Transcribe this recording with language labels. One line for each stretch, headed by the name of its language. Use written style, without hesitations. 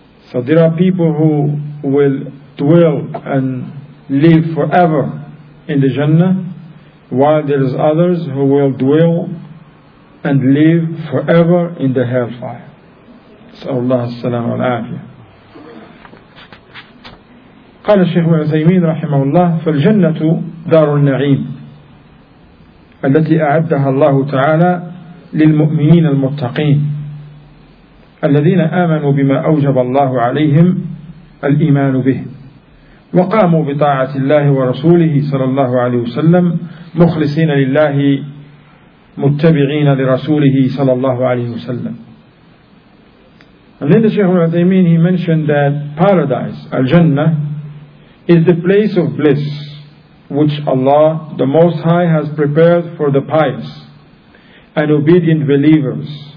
English: So there are people who will dwell and live forever in the Jannah, while there is others who will dwell and live forever in the Hellfire.
Arabic: Sallallahu alayhi wa sallam wa al-afiyah. قال الشيخ العثيمين رحمه الله فالجنة دار النعيم التي أعدها الله تعالى للمؤمنين المتقين الذين آمنوا بما أوجب الله عليهم الإيمان به وقاموا بطاعة الله ورسوله صلى الله عليه وسلم مخلصين لله متبعين لرسوله صلى الله عليه وسلم.
English: And then the Shaykh al-Uthaymeen, he mentioned that paradise, al-Jannah, is the place of bliss which Allah the Most High has prepared for the pious and obedient believers.